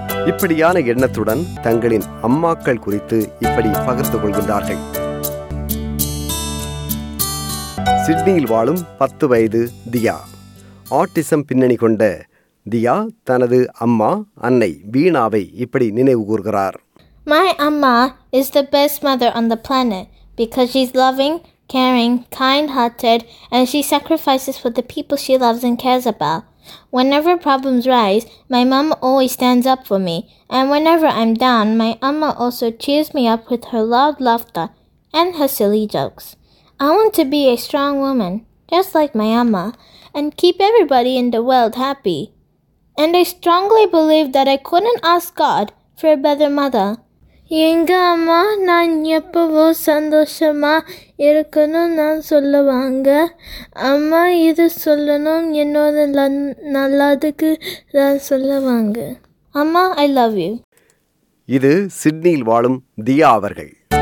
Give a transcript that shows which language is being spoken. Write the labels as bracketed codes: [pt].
[ta] இப்படியான எண்ணத்துடன் தங்களின் அம்மாக்கள் குறித்து இப்படி பகிர்ந்து கொள்கின்றார்கள். சிட்னியில் வாழும் 10 வயது தியா. ஆட்டிசம் பின்னணி கொண்ட தியா தனது அம்மா அன்னை வீணாவை இப்படி நினைவு கூர்கிறார். [en] My amma is the best mother on the planet because she's loving, caring, kind-hearted, and she sacrifices for the people she loves and cares about. Whenever problems rise, my mom always stands up for me. And whenever I'm down, my amma also cheers me up with her loud laughter and her silly jokes. I want to be a strong woman, just like my amma, and keep everybody in the world happy. And I strongly believe that I couldn't ask God for a better mother. [ta] எங்க அம்மா நான் எப்பவும் சந்தோஷமா இருக்கணும்னு நான் சொல்லுவாங்க. அம்மா இது சொல்லணும் என்னோட நல்லதுக்கு நான் சொல்லுவாங்க. அம்மா [en] I love you. [ta] இது சிட்னியில் வாழும் தியா அவர்கள்.